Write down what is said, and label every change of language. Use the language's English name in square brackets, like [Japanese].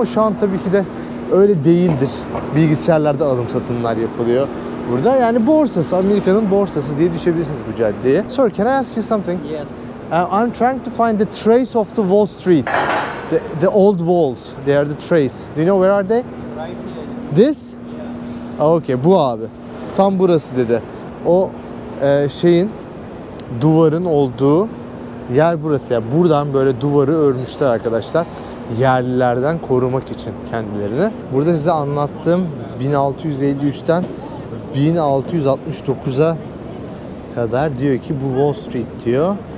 [Turkish] Ama şu an tabii ki de öyle değildir. Bilgisayarlarda alım satımlar yapılıyor burada. Yani borsası, Amerika'nın borsası diye düşebilirsiniz bu caddeye. [English] Sir, can I ask you something? Yes. I'm trying to find the trace of the Wall Street. The old walls, they are the trace. Do you know where are they? Right here. This? Yeah. [Turkish] Okay, bu abi. Tam burası dedi. O şeyin, duvarın olduğu yer burası. Yani buradan böyle duvarı örmüşler arkadaşlar. Yerlilerden korumak için kendilerini. Burada size anlattığım 1653'ten 1669'a kadar diyor ki bu Wall Street diyor.